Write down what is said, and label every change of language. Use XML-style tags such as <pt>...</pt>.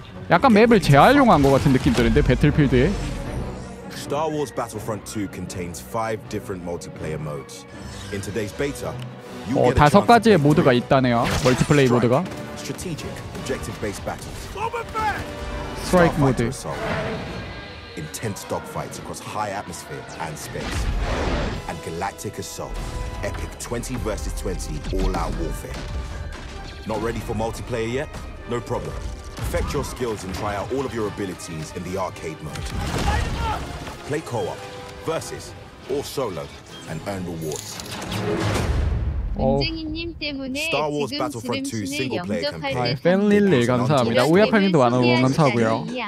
<ko>약간 맵을 재활용한 것 같은 느낌 드는데 배틀필드에.</ko> <en>Star Wars Battlefront 2 contains 5 different multiplayer modes. In today's beta, you get</en> <ko>다섯 가지의 모드가 있다네요. 멀티플레이 모드가.</ko> <en>Strategic, objective-based battles. Strike mode. Intense dogfights across high atmosphere and space. And galactic assault. Epic 20 versus 20 all-out warfare. Not ready for multiplayer yet? No problem. Perfect your skills and try out all of your abilities in the arcade mode. Play co-op, versus, or solo, and earn rewards.</en> <ko>은쟁이님 때문에 Star Wars 지금 지름신을 영접할 때 팬릴릴 감사합니다. 우야팬님도 많아서 감사하고요.</ko>